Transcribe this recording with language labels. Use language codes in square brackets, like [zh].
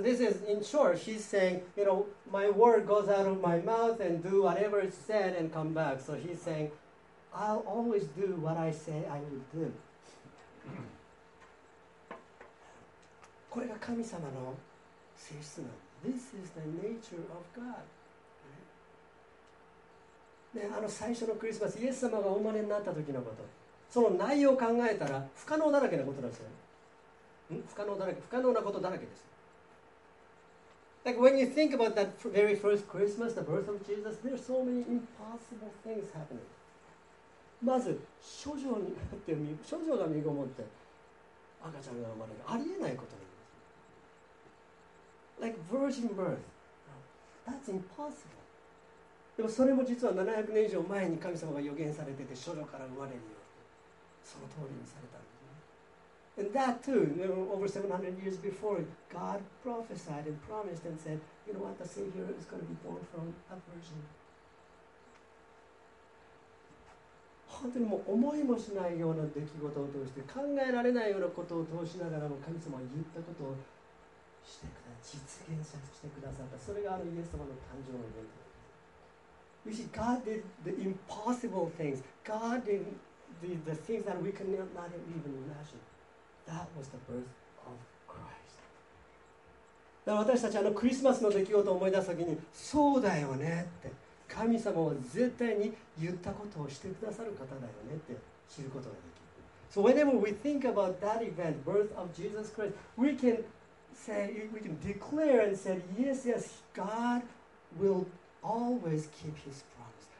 [en] So this is, in short, he's saying, you know, my word goes out of my mouth and do whatever it said and come back. So he's saying, I'll always do what I say I will do. [ja] これが神様の性質なの。 [en] This is the nature of God. [ja] ね、あの最初のクリスマス、イエス様がお生まれになった時のこと。その内容を考えたら不可能だらけなことなんですよ。不可能だらけ、不可能なことだらけです。 [en] Like when you think about that very first Christmas, the birth of Jesus, there are so many impossible things happening. [ja] まず、処女になって、処女が身ごもって赤ちゃんが生まれる。ありえないことなんです。 [en] Like virgin birth. That's impossible. [ja] でもそれも実は700年以上前に神様が予言されてて、処女から生まれるよ。その通りにされたんですね。 [en] And that too, you know, over 700 years before, God prophesied and promised and said, you know what, the Savior is going to be born from a virgin. [ja] 本当にもう思いもしないような出来事を通して、考えられないようなことを通しながらも神様は言ったことをしてくだ、実現させてくださった。それがあのイエス様の誕生のイベントです。 [en] You see, God did the impossible things. God diddidThe things that we cannot even imagine. That was the birth of Christ. [ja] だから私たちあのクリスマスの出来事を思い出すときに、そうだよねって、神様は絶対に言ったことをしてくださる方だよねって知ることができる。 [en] So whenever we think about that event, birth of Jesus Christ, we can say, we can declare and say, yes, yes, God will always keep His promise.